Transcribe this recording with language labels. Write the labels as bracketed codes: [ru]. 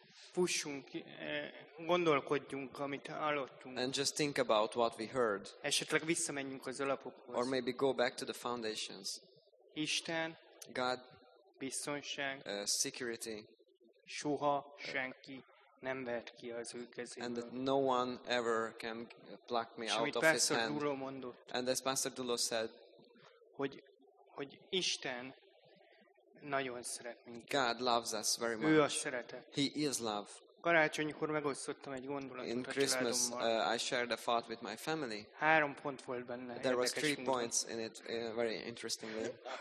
[hu] Fussunk, gondolkodjunk, amit hallottunk. [en] And just think about what we heard. [hu] Esetleg visszamenjünk az alapokhoz. [en] Or maybe go back to the foundations. [hu] Isten. [en] God. [hu] Biztonság. [en] Security. [hu] Soha senki nem vehet ki az ő kezéből. [en] And that no one ever can pluck me out of Pastor his hand. [hu] Dulo mondott, [en] and as Pastor Dulo said, [hu] hogy Isten nagyon szeret minket. [en] God loves us very much. [hu] Ő a szeretet. [en] He is love. [hu] Karácsonykor megosztottam egy gondolatot [en] in Christmas, [hu] a családommal. [en] I shared a thought with my family. [hu] Három pont volt benne. [en] There was three points in it, very interestingly.